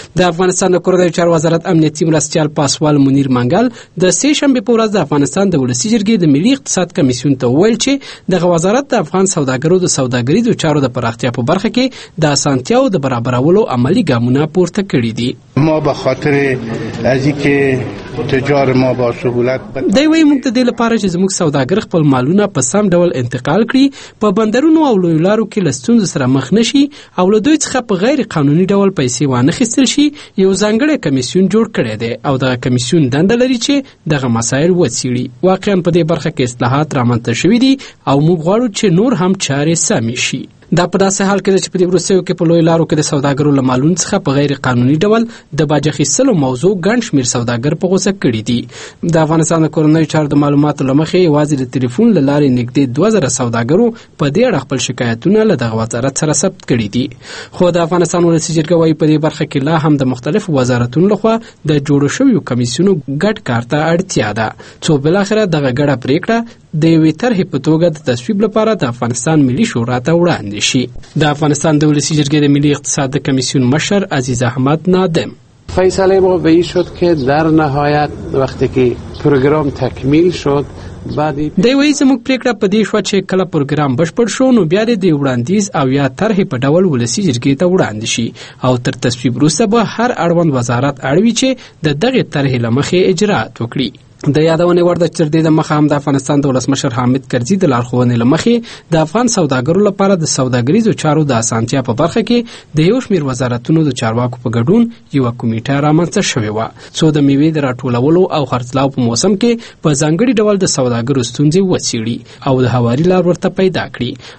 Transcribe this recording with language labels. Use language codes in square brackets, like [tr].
[ps] د افغانستان د کورنیو چارو وزارت امنیتي مرستیال پاسوال منیر منګل د سه شنبې په ورځ د افغانستان د ولسي جرګې د ملي اقتصاد کمیسیون ته وویل چې دغه وزارت د افغان سوداګرو د سوداګري د چارو د پراختیا په برخه کې د اسانتیاو د برابرولو عملي ګامونه پورته کړي دي. [fa] ما به خاطر از اینکه تجار ما با سهولت [ps] دیوی منتدل پاره چې زموږ سوداګر خپل مالونه په سم ډول انتقال کړي په بندرونو او لوی لارو کې لستونز سره مخ نشي او له دوی څخه په غیر قانوني ډول پیسې وانخستل شي یو ځانګړی کمیسیون جوړ کړی دی او دا کمیسیون دنده لري چې دغه مسایل وڅېړي. واقعا په دې برخه کې اصلاحات رامنځته شوي دي او موږ غواړو چې نور هم چارې سمې شي. دا په داسې حال کې ده چې په دې وروستیو کې په لویو لارو کې د سوداګرو له مالونو څخه په غیر قانوني ډول د باج اخیستلو موضوع ګڼ شمېر سوداګر په غوسه کړي دي. د افغانستان د کورنیو چارو د معلوماتو له مخې یوازې د تلیفون له لارې نږدې 2000 سوداګرو په دې اړه خپل شکایتونه له دغه وزارت سره ثبت کړي دي. خو د افغانستان ولسي جرګه وایي په دې برخه کې لا هم د مختلفو وزارتونو لخوا د جوړو شویو کمیسیونو ګډ کار ته اړتیا ده، څو بالاخره دغه ګډه پرېکړه د یوې طرحې په توګه د تصویب لپاره د افغانستان ملي شورا ته وړاندې شي. د افغانستان د ولسي جرګې د ملي اقتصاد د کمیسیون مشر عزیز احمد نادم: [fa] فیصله ما به این شد که در نهایت وقتی که پروگرام تکمیل شد [ps] دی وایي زموږ پریکړه په دې شو چې کله پروګرام بشپړ شو نو بیا دې د وړاندیز او یا طرحې په ډول ولسی جرګې ته وړاندې شي او تر تصویب وروسته به هر اړوند وزارت اړوي چې د دغې طرحې له مخې اجرات وکړي. د یادونې وړ ده چې د مخ هم د افغانستان د ولسمشر حامد کرزي د لارښوونې له مخې د افغان سوداګرو لپاره د سوداګریزو چارو د اسانتیا په برخه کې د یو شمېر وزارتونو د چارواکو په ګډون یوه کمیټه رامنځته شوې وه څو د میوې د راټولولو او خرڅلاو په موسم کې په ځانګړي ډول د سوداګرو ستونزې وڅېړي او د هواري لار ورته پیدا کړي.